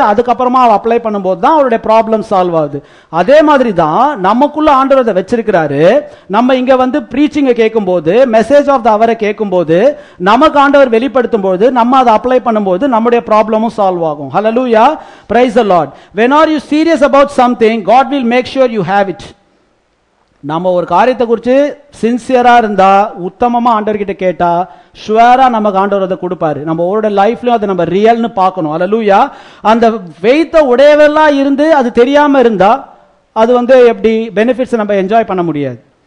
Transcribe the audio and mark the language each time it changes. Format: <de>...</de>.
<ta>அதுக்கப்புறமா அவள் அப்ளை பண்ணும்போது தான் அவருடைய ப்ராப்ளம் சால்வ் ஆகுது. அதே மாதிரி தான் நமக்குள்ள ஆண்டவர் அதை வச்சிருக்கிறாரு. நம்ம இங்கே வந்து ப்ரீச்சிங்கை கேட்கும் போது, மெசேஜ் ஆஃப் த அவரை கேட்கும் போது, நமக்கு ஆண்டவர் வெளிப்படுத்தும் போது, நம்ம அதை அப்ளை பண்ணும்போது நம்முடைய ப்ராப்ளமும் சால்வ் ஆகும்.</ta> <en>Hallelujah. Praise the Lord. When are you serious about something, God will make sure you have it.</en> <ta>நம்ம ஒரு காரியத்தை குறித்து சின்சியராக இருந்தால், உத்தமமாக ஆண்டவர்கிட்ட கேட்டால், ஷுவராக நமக்கு ஆண்டவர் அதை கொடுப்பாரு. நம்ம ஒவ்வொரு லைஃப்லையும் அதை நம்ம ரியல்னு பார்க்கணும். ஹல்லேலூயா. அந்த வெயித்தை உடையவெல்லாம் இருந்து அது தெரியாமல் இருந்தால் அது வந்து எப்படி பெனிஃபிட்ஸை நம்ம என்ஜாய் பண்ண முடியாது?</ta>